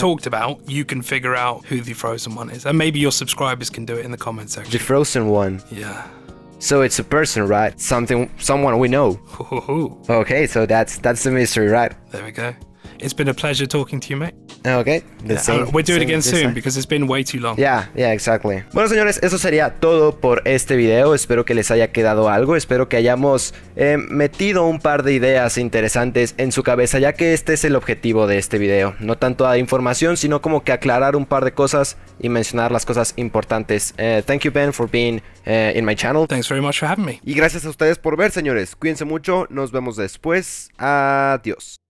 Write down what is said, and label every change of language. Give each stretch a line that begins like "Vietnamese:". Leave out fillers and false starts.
English: talked about, you can figure out who the Frozen One is. And maybe your subscribers can do it in the comment section. The Frozen One. Yeah. So it's a person, right? Someone we know. Ooh. Okay, so that's the mystery, right? There we go. It's been a pleasure talking to you, mate. Okay. We'll do it again soon because it's been way too long. Yeah, exactly.
Spanish: Bueno, señores, eso sería todo por este video. Espero que les haya quedado algo. Espero que hayamos metido un par de ideas interesantes en su cabeza, ya que este es el objetivo de este video. No tanto dar información, sino como que aclarar un par de cosas y mencionar las cosas importantes.
English: Thank you, Benn, for being in my channel. Thanks very much for having me.
Spanish: Y gracias a ustedes por ver, señores. Cuídense mucho. Nos vemos después. Adiós.